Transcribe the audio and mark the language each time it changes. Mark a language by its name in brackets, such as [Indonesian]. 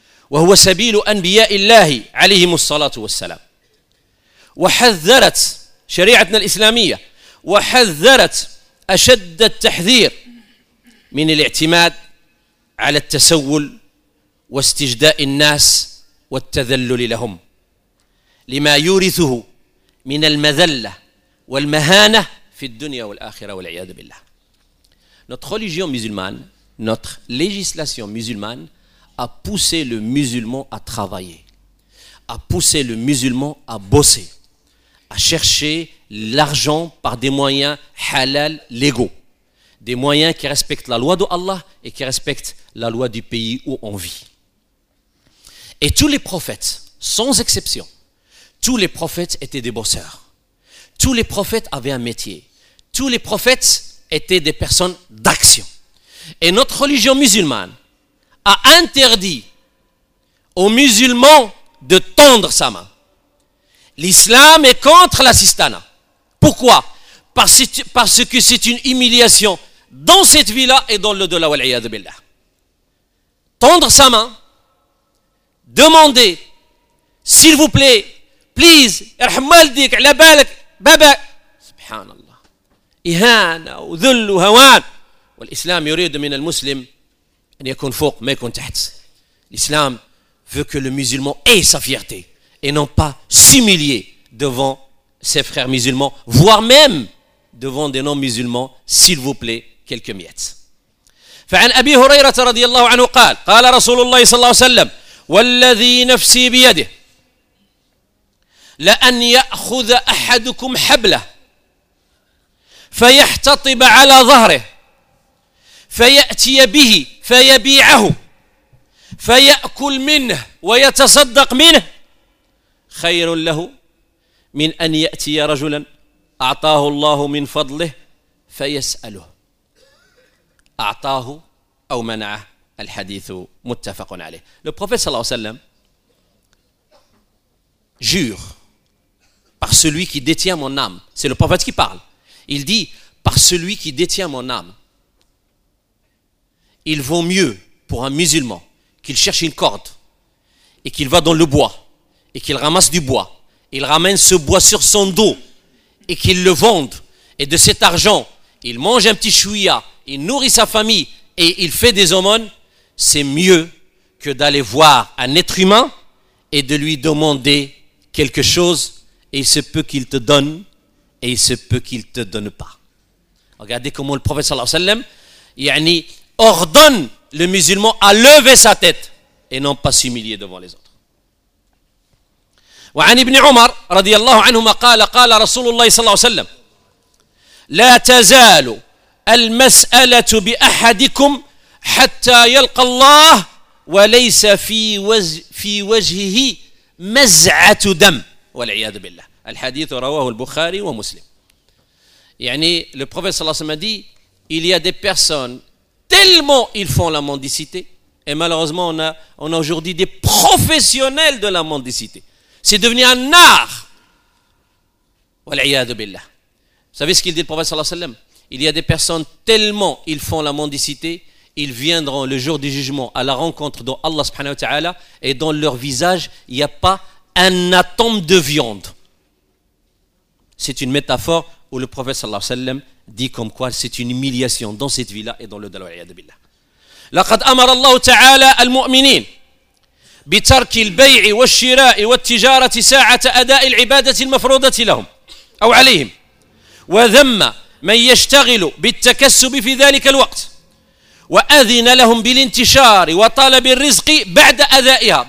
[Arabic] وهو سبيل أنبياء الله عليهم الصلاة والسلام، وحذرت شريعتنا الإسلامية وحذرت أشد التحذير من الاعتماد على التسول واستجداء الناس والتذلل لهم لما يورثه من المذلة والمهانة في الدنيا والآخرة والعياذ بالله. [French] Notre religion musulmane, notre législation musulmane a poussé le musulman à travailler, a poussé le musulman à bosser, à chercher l'argent par des moyens halal, légaux, des moyens qui respectent la loi de Allah et qui respectent la loi du pays où on vit. Et tous les prophètes, sans exception, tous les prophètes étaient des bosseurs. Tous les prophètes avaient un métier. Tous les prophètes étaient des personnes d'action. Et notre religion musulmane a interdit aux musulmans de tendre sa main. L'islam est contre l'assistana. Pourquoi ? Parce que c'est une humiliation dans cette vie-là et dans l'au-delà, wal'iyadu billah. Tendre sa main, demander, s'il vous plaît, [Arabic] بليز ارحم والديك على بالك بابا. سبحان الله، إهانة وذل وهوان. والإسلام يريد من المسلم أن يكون فوق ما يكون تحت. [French] الإسلام veut que le musulman ait sa fierté et non pas s'humilier devant ses frères musulmans, voire même devant des non-musulmans, s'il vous plaît, quelques miettes. [Arabic] فعن أبي هريرة رضي الله عنه قال قال رسول الله صلى الله عليه وسلم والذي نفسي بيده لأن يأخذ أحدكم حبله فيحتطب على ظهره فيأتي به فيبيعه فيأكل منه ويتصدق منه خير له من أن يأتي رجلا أعطاه الله من فضله فيسأله أعطاه أو منعه. الحديث متفق عليه. [French] Le prophète صلى الله عليه وسلم jure par celui qui détient mon âme. C'est le prophète qui parle. Il dit par celui qui détient mon âme, il vaut mieux pour un musulman qu'il cherche une corde et qu'il va dans le bois et qu'il ramasse du bois. Il ramène ce bois sur son dos et qu'il le vende. Et de cet argent, il mange un petit chouïa, il nourrit sa famille et il fait des aumônes. C'est mieux que d'aller voir un être humain et de lui demander quelque chose. Et il se peut qu'il te donne et il se peut qu'il ne te donne pas. Regardez comment le prophète sallallahu alayhi wa sallam, yani, ordonne le musulman à lever sa tête et non pas s'humilier devant les autres. [Arabic] وعن ابن عمر رضي الله عنهما قال قال رسول الله صلى الله عليه وسلم لا تزال المسألة بأحدكم حتى يلقى الله وليس في وجهه مزعة دم والعياذ بالله. الحديث رواه البخاري ومسلم. [French] يعني le prophète صلى الله عليه وسلم a dit il y a des personnes tellement ils font la mendicité, et malheureusement on a aujourd'hui des professionnels de la mendicité. C'est devenu un art. Wal'iyadu billah. Vous savez ce qu'il dit le prophète sallallahu alayhi wa sallam? Il y a des personnes tellement ils font la mendicité, ils viendront le jour du jugement à la rencontre de Allah subhanahu wa ta'ala et dans leur visage, il n'y a pas un atome de viande. C'est une métaphore où le prophète sallallahu alayhi wa sallam dit comme quoi c'est une humiliation dans cette vie-là et dans le delà. Wal'iyadu billah. [Arabic] Laqad amara Allah ta'ala al-mu'minin بترك البيع والشراء والتجارة ساعة أداء العبادة المفروضة لهم أو عليهم، وذم من يشتغل بالتكسب في ذلك الوقت، وأذن لهم بالانتشار وطلب الرزق بعد أدائها.